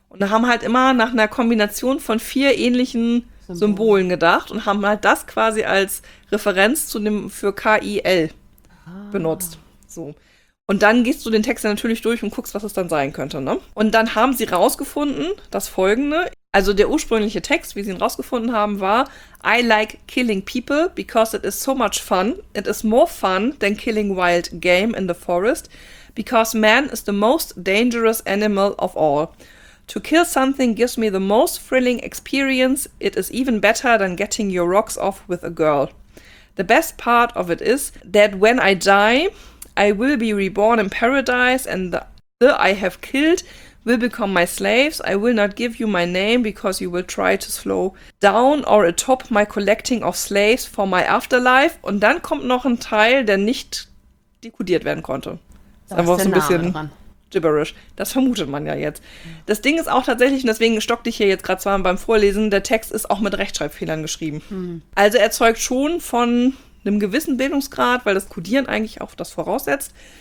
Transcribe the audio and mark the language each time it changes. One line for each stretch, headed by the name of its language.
German: Und haben halt immer nach einer Kombination von vier ähnlichen Symbolen gedacht und haben halt das quasi als Referenz zu dem für KIL benutzt. So. Und dann gehst du den Text ja natürlich durch und guckst, was es dann sein könnte, ne? Und dann haben sie rausgefunden, das Folgende, also der ursprüngliche Text, wie sie ihn rausgefunden haben, war:
English: I like killing people because it is so much fun. It is more fun than killing wild game in the forest because man is the most dangerous animal of all. To kill something gives me the most thrilling experience. It is even better than getting your rocks off with a girl. The best part of it is that when I die, I will be reborn in paradise and the I have killed will become my slaves. I will not give you my name because you will try to slow down or atop my collecting of slaves for my afterlife.
German: Und dann kommt noch ein Teil, der nicht dekodiert werden konnte. Da ist der Name dran.
English: Gibberish.
German: Das vermutet man ja jetzt. Das Ding ist auch tatsächlich, und deswegen stockte ich hier jetzt gerade zwar beim Vorlesen, der Text ist auch mit Rechtschreibfehlern geschrieben. Also erzeugt schon von einem gewissen Bildungsgrad, weil das Kodieren eigentlich auch das voraussetzt.